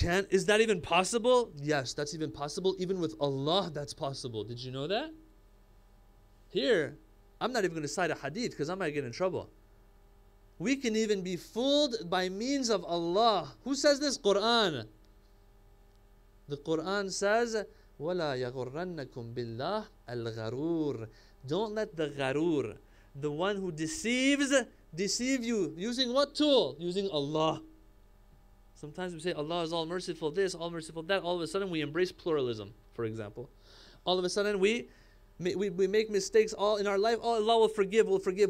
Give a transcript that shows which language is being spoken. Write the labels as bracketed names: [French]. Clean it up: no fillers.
[English] Is that even possible? Yes, that's even possible. Even with Allah, that's possible. Did you know that? Here, I'm not even going to cite a hadith because I might get in trouble. We can even be fooled by means of Allah. Who says this? Quran. The Quran says, [Arabic] وَلَا يَغُرَّنَّكُمْ بِاللَّهِ الْغَرُورِ. [English] Don't let the gharur, the one who deceives, deceive you. Using what tool? Using Allah. Sometimes we say Allah is all merciful this, all merciful that. All of a sudden we embrace pluralism, for example. All of a sudden we make mistakes all in our life. Oh, Allah will forgive, will forgive.